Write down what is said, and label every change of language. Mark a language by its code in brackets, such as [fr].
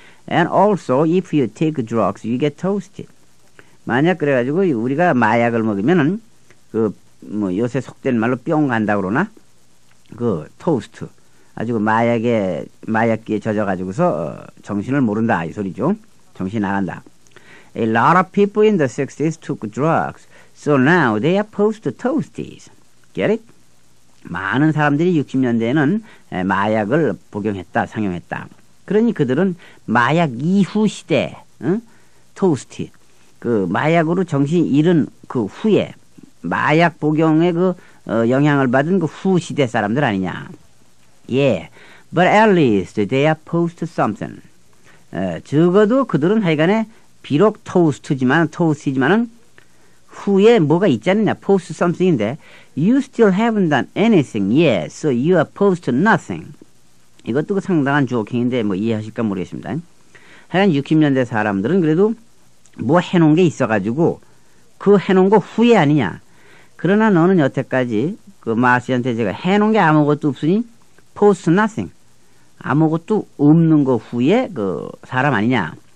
[en] And also, if you take drugs, you get toasted. [ko] 만약 그래가지고 우리가 마약을 먹으면은 그 뭐 요새 속된 말로 뿅 간다 그러나 그 토스트 아주 마약기에 젖어가지고서 정신을 모른다 이 소리죠. 정신 나간다. [en] A lot of people in the 60s took drugs. So now they are post toasties. Get it? [ko] 많은 사람들이 60년대에는 마약을 복용했다, 상용했다. 그러니 그들은 마약 이후 시대 응? 토스트 그 마약으로 정신 잃은 그 후에 마약 복용의 그 영향을 받은 그 후 시대 사람들 아니냐? [en] Yeah, but at least they are post something. [ko] 적어도 그들은 하여간에 비록 토스트지만은 후에 뭐가 있지 않느냐? [en] Post something인데 you still haven't done anything yet, so you are post nothing. [ko] 이것도 그 상당한 조킹인데 뭐 이해하실까 모르겠습니다. 하여간 60년대 사람들은 그래도 뭐 해놓은 게 있어가지고 그 해놓은 거 후회 아니냐. 그러나 너는 여태까지 그 마스한테 제가 해놓은 게 아무것도 없으니 [en] post nothing [ko] 아무것도 없는 거 후에 그 사람 아니냐.